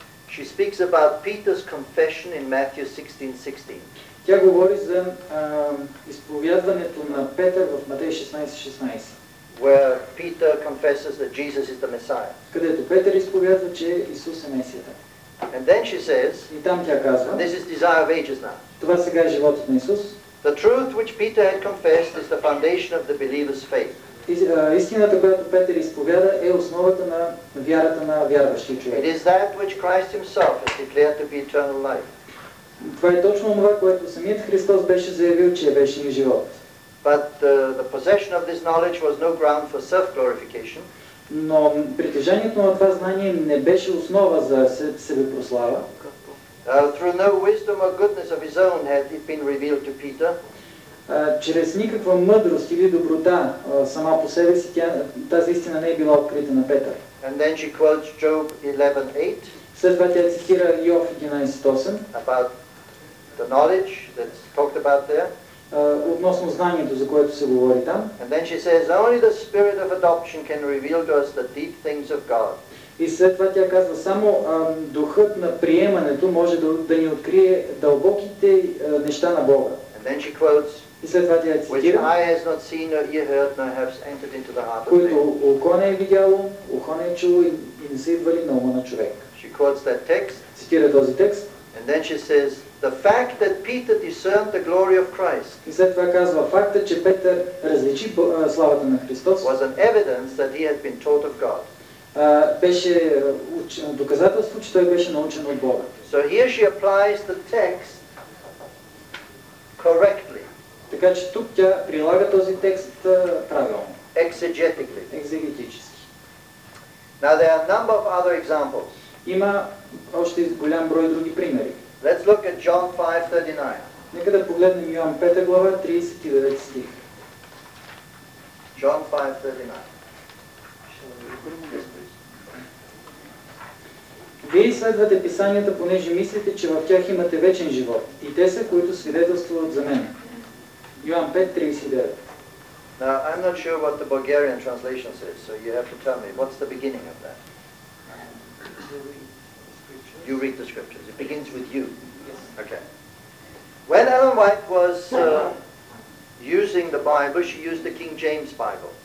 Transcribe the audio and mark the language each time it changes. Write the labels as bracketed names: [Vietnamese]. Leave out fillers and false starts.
[English] she speaks about Peter's confession in Matthew 16:16. [Bulgarian] Тя говори за изповядването на Петър в Матей 16:16. [English] Where Peter confesses that Jesus is the Messiah. [Bulgarian] Където Петър изповядва, че Исус е Месията. [English] And then she says, [Bulgarian] и там тя казва, [English] this is Desire of Ages now. [Bulgarian] Това сега е Животът на Исус. [English] The truth which Peter had confessed is the foundation of the believer's faith. [Bulgarian] Истината, която Петър изповяда, е основата на вярата на вярващия човек. [English] It is that which Christ himself has declared to be eternal life. [Bulgarian] Това е точно това, което самият Христос беше заявил, че е вечния живот. [English] But the possession of this knowledge was no ground for self-glorification. [Bulgarian] Но притежанието на това знание не беше основа за себепрослава. [English] Through no wisdom or goodness of his own had it been revealed to Peter. [Bulgarian] Чрез никаква мъдрост или доброта сама по себе си тази истина не е била открита на Петър. [English] And then she quotes Job 11:8. [Bulgarian] След това тя цитира Йов 11:8. [English] About the knowledge that's talked about there. [Bulgarian] относно знанието, за което се говори там. [English] And then she says, only the spirit of adoption can reveal to us the deep things of God. [Bulgarian] И след това тя казва, само духът на приемането може да ни открие дълбоките неща на Бога. [English] And then she quotes, [Bulgarian] и след това тя цитира, [English] which eye has not seen, nor ear heard, nor has entered into the heart of man. [Bulgarian] Което око не е видяло, ухо не е чуло и не са идвали на ума на човек. [English] She quotes that text. [Bulgarian] Цитира този текст. [English] And then she says, the fact that Peter discerned the glory of Christ. [Bulgarian] И след това казва, факта, че Петър различи славата на Христос, [English] was an evidence that he had been taught of God. [Bulgarian] Беше доказателство, че той беше научен от Бога. [English] So here she applies the text correctly. [Bulgarian] Така че тук тя прилага този текст правилно. [English] Exegetically. [Bulgarian] Екзегетически. [English] Now there are a number of other examples. [Bulgarian] Има още голям брой други примери. [English] Let's look at John 5:39. [Bulgarian] Нека да погледнем Йоан 5 глава 39 стих. [English] John 5:39. [Bulgarian] Вие изследвате писанията, понеже мислите, че в тях имате вечен живот, и те са, които свидетелстват за мен. Йоан 5:39. [English] I'm not sure what the Bulgarian translation says, so you have to tell me what's the beginning of that. You read the scriptures. It begins with you. Yes. Okay. When Ellen White was using the Bible, she used the King James Bible.